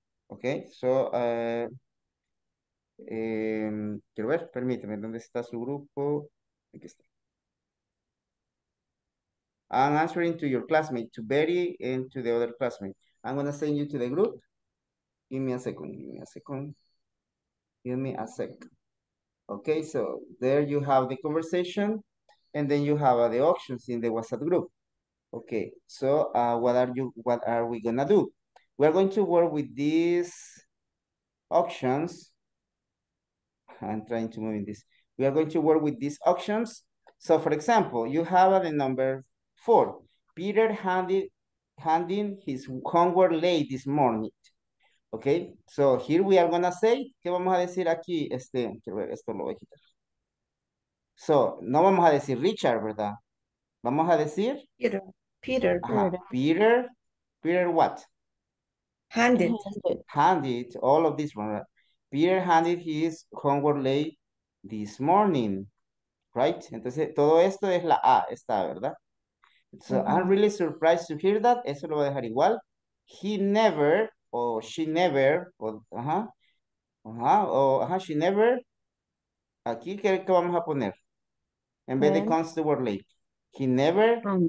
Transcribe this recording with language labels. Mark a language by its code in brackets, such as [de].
[es] Okay, so quiero ver, permíteme, ¿dónde está su grupo? Aquí está. [en] I'm answering to your classmate, to Betty and to the other classmate. I'm going to send you to the group. Give me a second, give me a second. Give me a second. Okay, so there you have the conversation and then you have the options in the WhatsApp group. Okay, so what are we going to do? We're going to work with these options I'm trying to move in this. We are going to work with these options. So for example, you have the number four. Peter handed his homework late this morning. Okay, so here we are gonna say, [es] ¿qué vamos a decir aquí? Esto lo voy a quitar. So, no vamos a decir Richard, ¿verdad? Vamos a decir [en] Peter what? Handed all of this one, right? Peter handed his homework late this morning, right? [es] Entonces, todo esto es la A, está, ¿verdad? [en] So, mm-hmm. I'm really surprised to hear that. [es] Eso lo voy a dejar igual. [en] He never, or she never, she never. [es] Aquí, ¿qué vamos a poner? En vez de [en] comes to work late. He never.